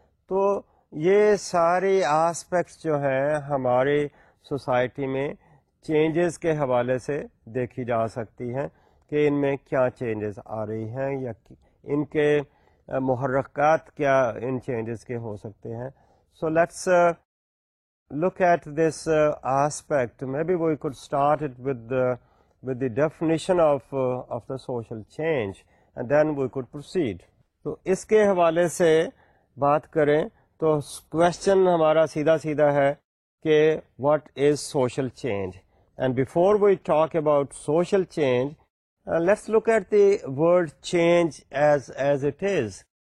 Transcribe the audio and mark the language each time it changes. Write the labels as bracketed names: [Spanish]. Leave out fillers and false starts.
[Urdu] تو یہ سارے آسپیکٹس جو ہیں ہماری سوسائٹی میں چینجز کے حوالے سے دیکھی جا سکتی ہیں کہ ان میں کیا چینجز آ رہی ہیں یا ان کے محرکات کیا ان چینجز کے ہو سکتے ہیں. [English] So let's look at this aspect. Maybe we could start it with the definition of the social change and then we could proceed. [Urdu] تو اس کے حوالے سے بات کریں تو کویشچن ہمارا سیدھا سیدھا ہے کہ [English] What is social change. And before we talk about social change, let's look at the word change as it is.